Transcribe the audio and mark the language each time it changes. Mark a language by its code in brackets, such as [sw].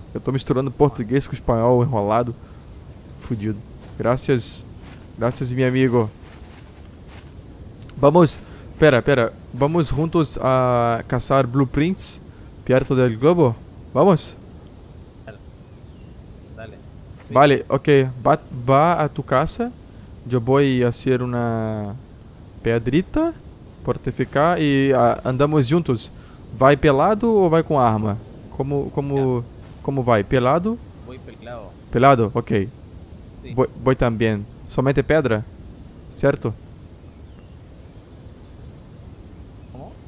[pt] Eu tô misturando português com espanhol enrolado. Fudido. [es] Gracias. Gracias, mi amigo. Vamos. Espera, espera. [pt] Vamos juntos a caçar blueprints perto del globo? Vamos? [es] Dale. Sí. Vale, ok. Va a tu casa. Yo voy a hacer una pedrita. [pt] Fortificar e andamos juntos. Vai pelado ou vai com arma? Como vai? Pelado? [es] Voy pelado. [pt] Pelado? Ok. [es] Sí. Voy [pt] também. Somente pedra? Certo? Como?